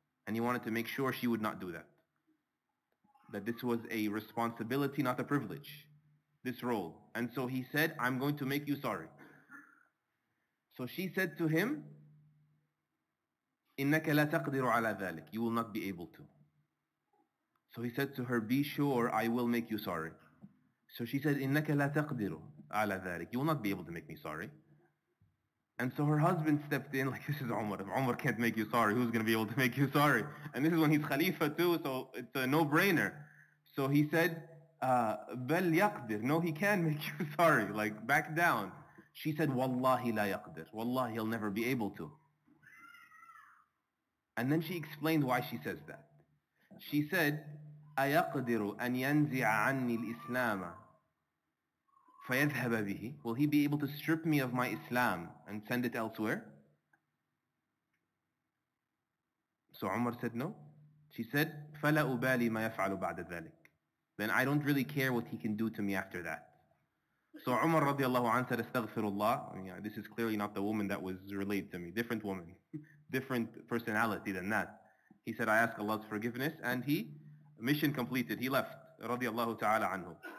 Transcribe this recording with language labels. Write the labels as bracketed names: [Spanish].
[English] And he wanted to make sure she would not do that. That this was a responsibility, not a privilege, this role. And so he said, I'm going to make you sorry. So she said to him, [Arabic] إِنَّكَ لَا تَقْدِرُ عَلَى ذَلِكَ. [English] You will not be able to. So he said to her, be sure, I will make you sorry. So she said, [Arabic] إِنَّكَ لَا تَقْدِرُ عَلَى ذَلِكَ. [English] You will not be able to make me sorry. And so her husband stepped in, like, this is Umar. If Umar can't make you sorry, who's going to be able to make you sorry? And this is when he's Khalifa too, so it's a no-brainer. So he said, [Arabic] بَلْ يَقْدِرُ. [English] No, he can make you sorry. Like, back down. She said, [Arabic] وَاللَّهِ لَا يَقْدِرُ. [English] Wallahi, he'll never be able to. And then she explained why she says that. She said, [Arabic] أيقدر أن ينزع عني الإسلام فيذهب به? [English] Will he be able to strip me of my Islam and send it elsewhere? So Umar said no. She said, [Arabic] فلا أبالي ما يفعل بعد ذلك. [English] Then I don't really care what he can do to me after that. So Umar radiallahu anhu said, Astaghfirullah. Yeah, this is clearly not the woman that was related to me. Different woman. Different personality than that. He said, I ask Allah's forgiveness. And he, mission completed. He left radiallahu ta'ala anhu.